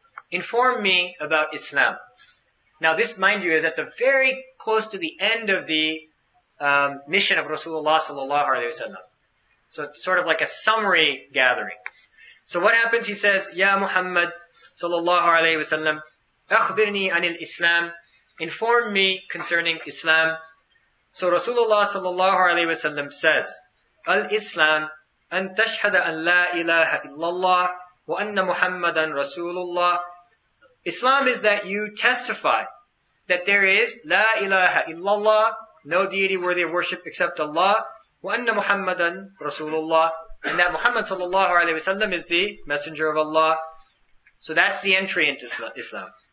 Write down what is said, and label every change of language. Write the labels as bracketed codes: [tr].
[en] Inform me about Islam. Now this, mind you, is at the very close to the end of the mission of Rasulullah sallallahu alayhi wa sallam. So it's sort of like a summary gathering. So what happens? He says, Ya Muhammad sallallahu alayhi wa sallam, [ar] أخبرني عن الإسلام. [en] Inform me concerning Islam. So Rasulullah sallallahu alayhi wa sallam says, [ar] Al-Islam, أن تشهد أن لا إله إلا الله وأن محمدا رسول الله. [en] Islam is that you testify that there is La ilaha illallah, no deity worthy of worship except Allah, wa anna Muhammadan Rasulullah, and that Muhammad sallallahu alayhi wa sallam is the messenger of Allah. So that's the entry into Islam.